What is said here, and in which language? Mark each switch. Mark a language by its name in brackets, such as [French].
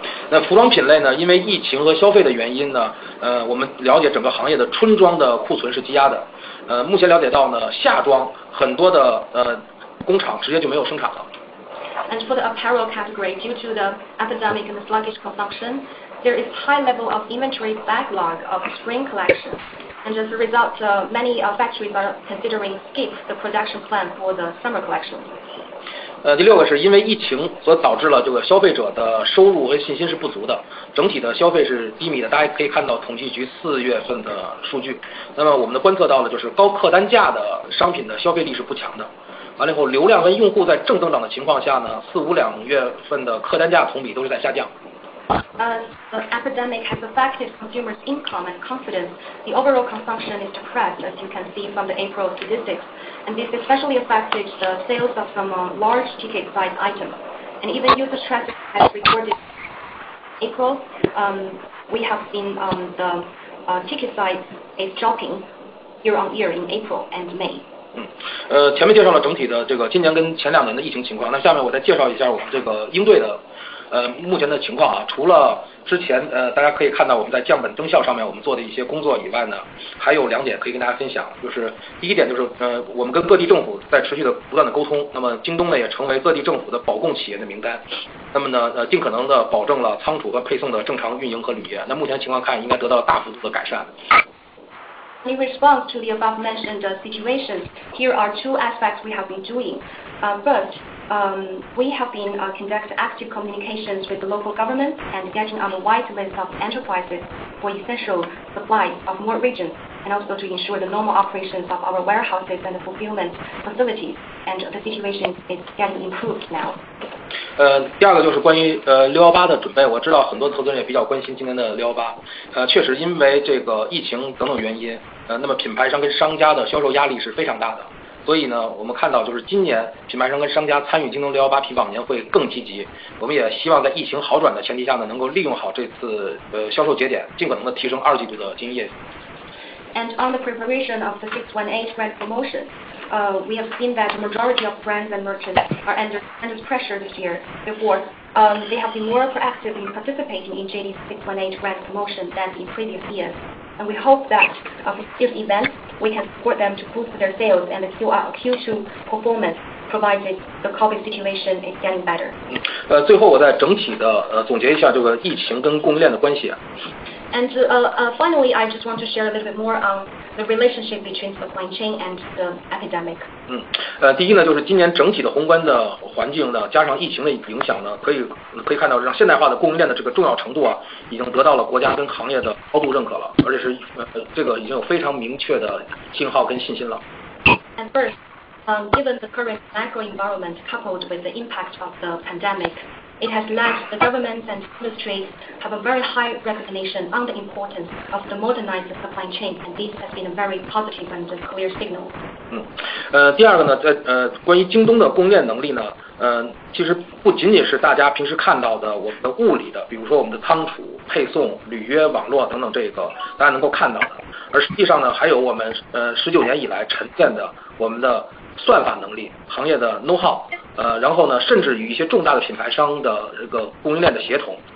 [Chinese] 那服装品类呢，因为疫情和消费的原因呢，我们了解整个行业的春装的库存是积压的，目前了解到呢，夏装很多的工厂直接就没有生产了。 [English] And for the apparel category, due to the epidemic and the sluggish consumption, there is high level of inventory backlog of spring collection, and as a result, many factories are considering skip the production plan for the summer collection. [Chinese] 第六个是因为疫情所导致了这个消费者的收入和信心是不足的，整体的消费是低迷的，大家可以看到统计局四月份的数据。那么我们的观测到了就是高客单价的商品的消费力是不强的，完了以后流量跟用户在正增长的情况下呢，四五两月份的客单价同比都是在下降。 [English] The epidemic has affected consumers' income and confidence. The overall consumption is depressed, as you can see from the April statistics. And this especially affected the sales of some large ticket size items. And even user traffic has recorded April, we have seen the ticket size is dropping year on year in April and May. [Chinese] 前面介绍了整体的这个今年跟前两年的疫情情况，那下面我再介绍一下我们这个应对的目前的情况啊，除了之前大家可以看到我们在降本增效上面我们做的一些工作以外呢，还有两点可以跟大家分享，就是第一点就是我们跟各地政府在持续的不断的沟通，那么京东呢也成为各地政府的保供企业的名单，那么呢尽可能的保证了仓储和配送的正常运营和履约，那目前情况看应该得到大幅度的改善。 [English] In response to the above-mentioned situation, here are two aspects we have been doing. First, we have been conducting active communications with the local governments and getting on a wide list of enterprises for essential supplies of more regions, and also to ensure the normal operations of our warehouses and the fulfillment facilities, and the situation is getting improved now. [Chinese] 第二个就是关于618的准备，我知道很多投资人也比较关心今年的618，确实因为这个疫情等等原因，那么品牌商跟商家的销售压力是非常大的，所以呢我们看到就是今年品牌商跟商家参与京东618比往年会更积极，我们也希望在疫情好转的前提下呢能够利用好这次销售节点，尽可能的提升二季度的经营业绩。 [English] And on the preparation of the 618 brand promotion,we have seen that the majority of brands and merchants are under pressure this year. Before, they have been more proactive in participating in JD's 618 brand promotion than in previous years. And we hope that for this event, we can support them to boost their sales and fuel our Q2 performance. Provided the COVID situation is getting better. [Chinese] 最后我再整体的总结一下这个疫情跟供应链的关系。 [English] And finally, I just want to share a little bit more on the relationship between supply chain and the epidemic. [Chinese] 第一呢，就是今年整体的宏观的环境呢，加上疫情的影响呢，可以看到让现代化的供应链的这个重要程度啊，已经得到了国家跟行业的高度认可了，而且是这个已经有非常明确的信号跟信心了。 [English] And first. Given the current macro environment coupled with the impact of the pandemic, it has led the government and industries have a very high recognition on the importance of the modernized supply chain, and this has been a very positive and clear signal. [Chinese] 第二个呢，关于京东的供应链能力呢，其实不仅仅是大家平时看到的我们的物理的，比如说我们的仓储、配送、履约网络等等，这个大家能够看到的，而实际上呢，还有我们19年以来沉淀的我们的算法能力、行业的 know how， 然后呢，甚至与一些重大的品牌商的这个供应链的协同，